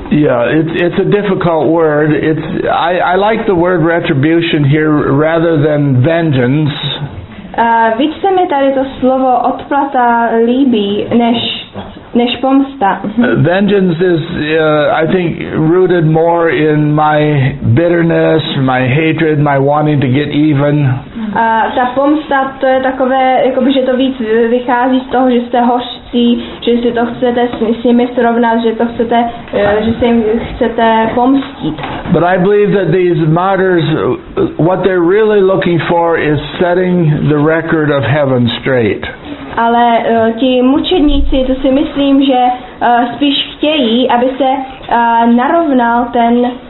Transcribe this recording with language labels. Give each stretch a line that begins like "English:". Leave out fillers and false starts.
English: Yeah, it's a difficult word. I like the word retribution here rather than vengeance.
Czech: Víc se mi tady to slovo odplata líbí než pomsta.
English: Vengeance is, I think, rooted more in my bitterness, my hatred, my wanting to get even.
Czech: Ta pomsta, to je takové, jakoby, že to víc vychází z toho, že jste hořcí, že si to chcete s nimi srovnat, že to chcete, že se jim chcete pomstit.
English: But I believe that these martyrs, what they're really looking for is setting the record of heaven straight.
Czech: Ale ti mučedníci, to si myslím, že spíš chtějí, aby se narovnal ten...